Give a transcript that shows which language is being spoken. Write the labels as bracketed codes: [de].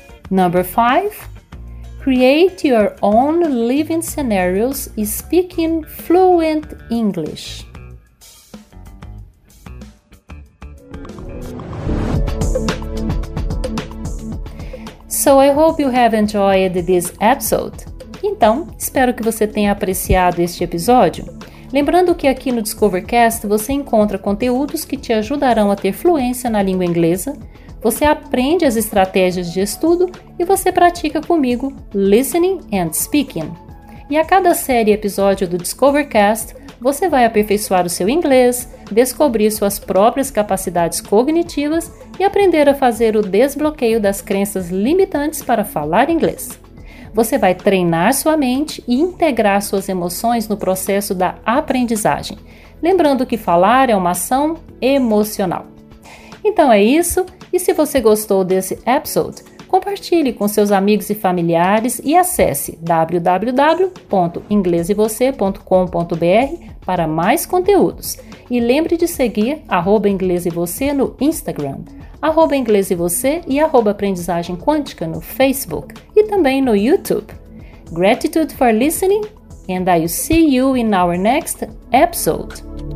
[en] Number five, create your own living scenarios speaking fluent English. So I hope you have enjoyed this episode. [pt] Então, espero que você tenha apreciado este episódio. Lembrando que aqui no DiscoverCast você encontra conteúdos que te ajudarão a ter fluência na língua inglesa, você aprende as estratégias de estudo e você pratica comigo [en] listening and speaking. [pt] E a cada série episódio do DiscoverCast, você vai aperfeiçoar o seu inglês, descobrir suas próprias capacidades cognitivas e aprender a fazer o desbloqueio das crenças limitantes para falar inglês. Você vai treinar sua mente e integrar suas emoções no processo da aprendizagem. Lembrando que falar é uma ação emocional. Então é isso. E se você gostou desse episode, compartilhe com seus amigos e familiares e acesse www.inglesevocê.com.br para mais conteúdos. E lembre de seguir @inglesevocê no Instagram, @inglesevocê e @aprendizagemquântica no Facebook e também no YouTube. [en] Gratitude for listening, and I'll see you in our next episode.